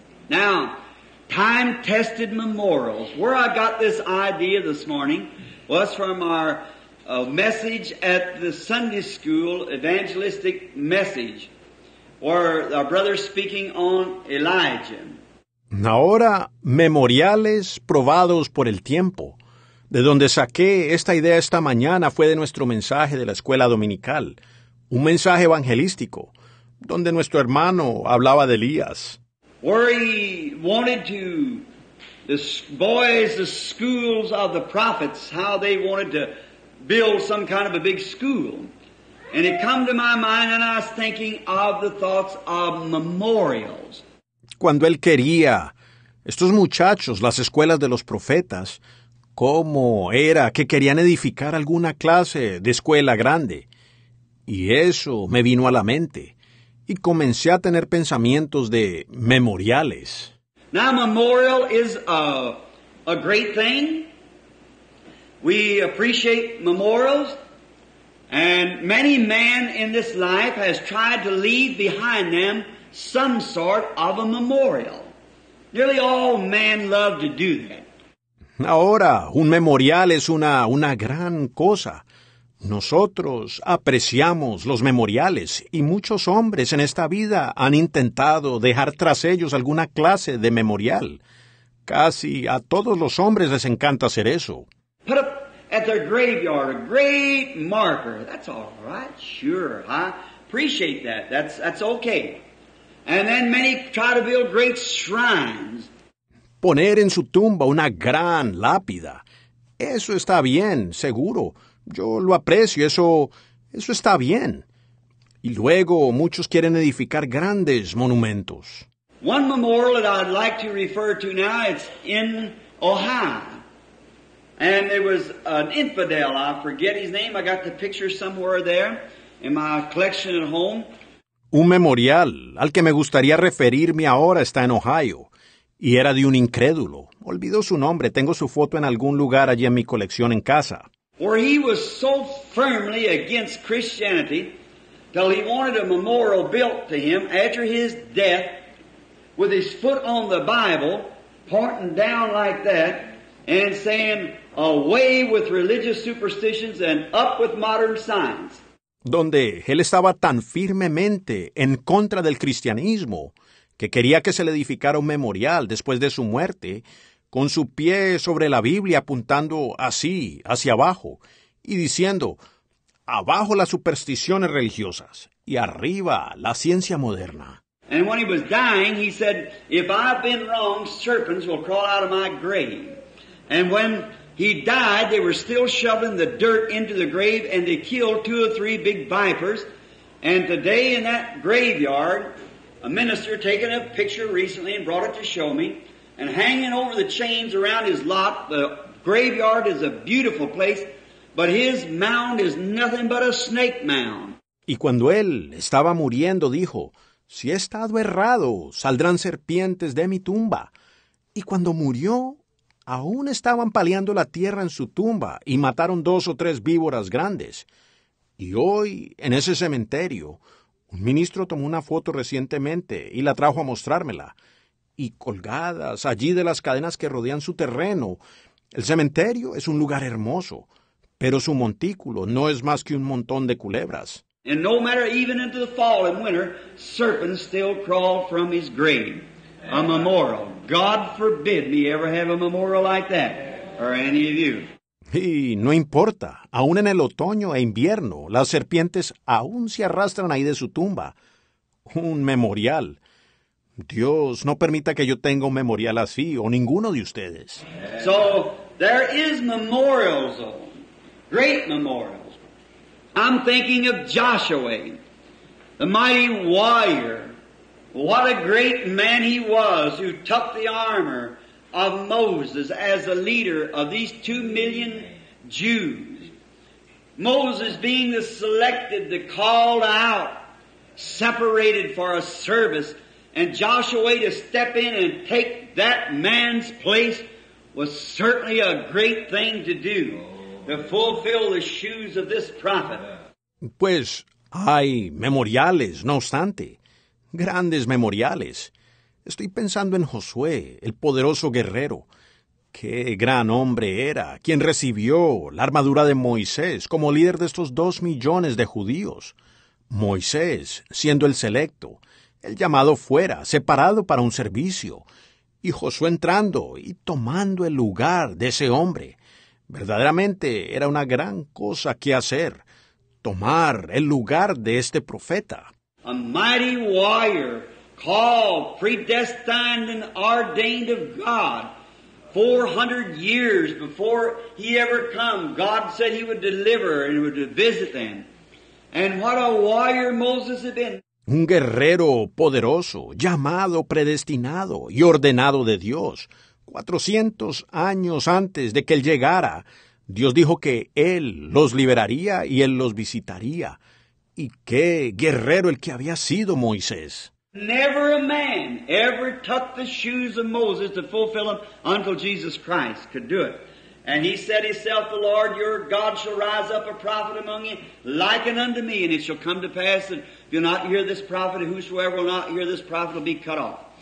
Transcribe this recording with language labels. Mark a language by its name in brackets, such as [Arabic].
[English] Now, time-tested memorials. Where I got this idea this morning was from our a message at the Sunday school, evangelistic message, where our brother speaking on Elijah. [Spanish] Ahora, memoriales probados por el tiempo. De donde saqué esta idea esta mañana fue de nuestro mensaje de la escuela dominical, un mensaje evangelístico, donde nuestro hermano hablaba de Elías. [English] Where he wanted to, the boys, the schools of the prophets, how they wanted to build some kind of a big school. And it came to my mind and I was thinking of the thoughts of memorials. [Spanish] Cuando él quería, estos muchachos, las escuelas de los profetas, ¿cómo era que querían edificar alguna clase de escuela grande? Y eso me vino a la mente, y comencé a tener pensamientos de memoriales. [English] Now, memorial is a great thing. We appreciate memorials. And many men in this life has tried to leave behind them some sort of a memorial. Nearly all men love to do that. [Spanish] Ahora, un memorial es una gran cosa. Nosotros apreciamos los memoriales y muchos hombres en esta vida han intentado dejar tras ellos alguna clase de memorial. Casi a todos los hombres les encanta hacer eso. [English] Put up at their graveyard a great marker. That's all right, sure, huh? Appreciate that. That's okay. And then many try to build great shrines. [Spanish] Poner en su tumba una gran lápida. Eso está bien, seguro. Yo lo aprecio, eso está bien. Y luego muchos quieren edificar grandes monumentos. [English] One memorial that I'd like to refer to now, it's in Ohio. And there was an infidel, I forget his name, I got the picture somewhere there in my collection at home. [Spanish] Un memorial al que me gustaría referirme ahora está en Ohio, y era de un incrédulo. Olvido su nombre, tengo su foto en algún lugar allí en mi colección en casa. [English] Where he was so firmly against Christianity, till he wanted a memorial built to him after his death, with his foot on the Bible, pointing down like that, and saying, away with religious superstitions and up with modern science. [Spanish] Donde él estaba tan firmemente en contra del cristianismo que quería que se le edificara un memorial después de su muerte, con su pie sobre la Biblia apuntando así, hacia abajo, y diciendo, abajo las supersticiones religiosas y arriba la ciencia moderna. [English] And when he was dying, he said, if I've been wrong, serpents will crawl out of my grave. And when he died, they were still shoving the dirt into the grave and they killed two or three big vipers. And today in that graveyard, a minister taken a picture recently and brought it to show me. And hanging over the chains around his lot, the graveyard is a beautiful place, but his mound is nothing but a snake mound. [Spanish] Y cuando él estaba muriendo, dijo, si he estado errado, saldrán serpientes de mi tumba. Y cuando murió, aún estaban paliando la tierra en su tumba y mataron dos o tres víboras grandes. Y hoy, en ese cementerio, un ministro tomó una foto recientemente y la trajo a mostrármela. Y colgadas allí de las cadenas que rodean su terreno, el cementerio es un lugar hermoso, pero su montículo no es más que un montón de culebras. [English] And no matter even into the fall and winter, serpents still crawl from his grave. A memorial. God forbid me ever have a memorial like that, or any of you. [Spanish] Y no importa, aún en el otoño e invierno, las serpientes aún se arrastran ahí de su tumba. Un memorial. Dios no permita que yo tenga un memorial así, o ninguno de ustedes. [English] So, there is memorials, though. Great memorials. I'm thinking of Joshua, the mighty warrior. What a great man he was who took the armor of Moses as the leader of these 2 million Jews. Moses being the selected, the called out, separated for a service, and Joshua to step in and take that man's place was certainly a great thing to do, to fulfill the shoes of this prophet. [Spanish] Pues hay memoriales, no obstante. Grandes memoriales. Estoy pensando en Josué, el poderoso guerrero. ¡Qué gran hombre era! Quien recibió la armadura de Moisés como líder de estos 2 millones de judíos. Moisés, siendo el selecto, el llamado fuera, separado para un servicio. Y Josué entrando y tomando el lugar de ese hombre. Verdaderamente era una gran cosa que hacer, tomar el lugar de este profeta. [English] A mighty warrior, called, predestined and ordained of God. 400 years before he ever come, God said he would deliver and would visit them. And what a warrior Moses had been. [Spanish] Un guerrero poderoso, llamado, predestinado y ordenado de Dios. 400 años antes de que él llegara, Dios dijo que él los liberaría y él los visitaría. Y qué guerrero el que había sido Moisés. [English] Never a man ever took the shoes of Moses to fulfill them until Jesus Christ could do it. And he said himself, the Lord your God shall rise up a prophet among you, likened unto me, and it shall come to pass that if you'll not hear this prophet, whosoever will not hear this prophet will be cut off.